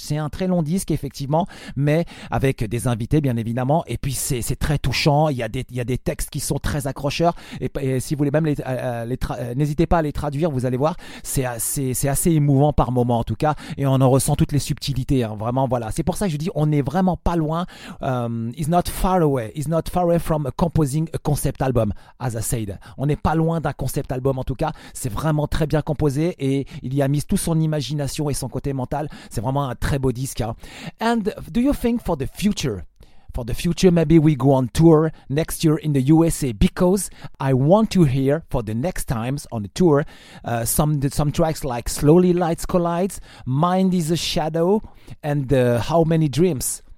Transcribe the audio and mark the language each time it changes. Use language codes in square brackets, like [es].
[fr] C'est un très long disque effectivement, mais avec des invités bien évidemment et puis c'est très touchant, il y a des textes qui sont très accrocheurs et si vous voulez même n'hésitez pas à les traduire, vous allez voir, c'est assez émouvant par moments en tout cas et on en ressent toutes les subtilités. Vraiment, voilà. C'est pour ça que je dis, on n'est vraiment pas loin. [en] It's not far away from composing a concept album, as I said. [fr] On n'est pas loin d'un concept album, en tout cas. C'est vraiment très bien composé et il y a mis tout son imagination et son côté mental. C'est vraiment un très beau disque. Hein. [en] And do you think for the future, maybe we go on tour next year in the USA because I want to hear for the next times on the tour some tracks like Slowly Lights Collide, Mind is a Shadow, and How Many Dreams.